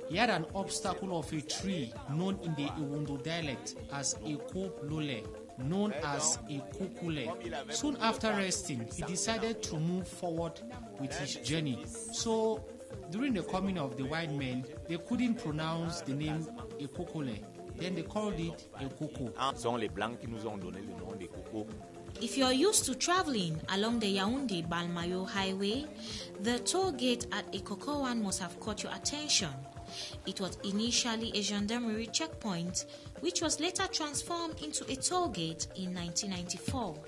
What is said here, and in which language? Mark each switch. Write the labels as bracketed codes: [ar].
[en] He had an obstacle of a tree known in the Ewondo dialect as Eko Lole, known as Ekokule. Soon after resting, he decided to move forward with his journey. So, during the coming of the white men, they couldn't pronounce the name Ekokule. Then they called it Ekoko. [fr] Sont les blancs qui nous ont donné le nom de Koko. [en] If you're used to traveling along the Yaoundé-Balmayo Highway, the toll gate at Ekoko 1 must have caught your attention. It was initially a gendarmerie checkpoint, which was later transformed into a toll gate in 1994.